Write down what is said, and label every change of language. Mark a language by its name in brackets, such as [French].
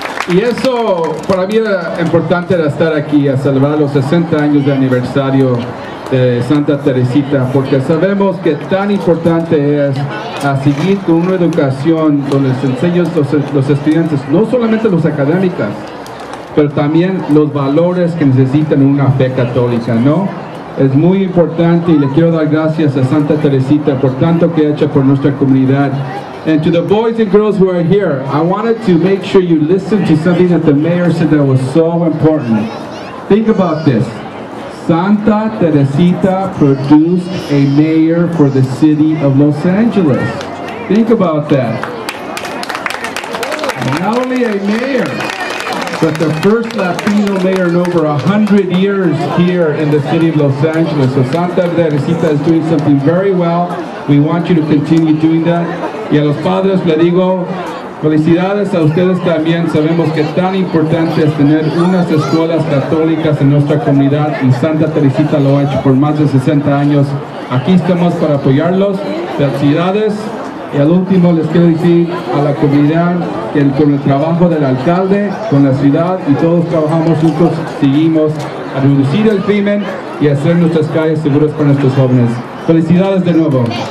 [Spanish] Y eso, para mí era importante estar aquí a celebrar los 60 años de aniversario de Santa Teresita, porque sabemos que tan importante es a seguir con una educación donde se enseñan los estudiantes, no solamente los académicos, pero también los valores que necesitan una fe católica, ¿no? Es muy importante y le quiero dar gracias a Santa Teresita por tanto que ha hecho por nuestra comunidad. [English] And to the boys and girls who are here, I wanted to make sure you listen to something that the mayor said that was so important. Think about this. Santa Teresita produced a mayor for the city of Los Angeles. Think about that. Not only a mayor, but the first Latino mayor in over 100 years here in the city of Los Angeles. So Santa Teresita is doing something very well. We want you to continue doing that. [Spanish] Y a los padres le digo, felicidades a ustedes también. Sabemos que tan importante es tener unas escuelas católicas en nuestra comunidad y Santa Teresita lo ha hecho por más de 60 años. Aquí estamos para apoyarlos. Felicidades. Y al último les quiero decir a la comunidad que con el trabajo del alcalde, con la ciudad y todos trabajamos juntos, seguimos a reducir el crimen y a hacer nuestras calles seguras para nuestros jóvenes. Felicidades de nuevo.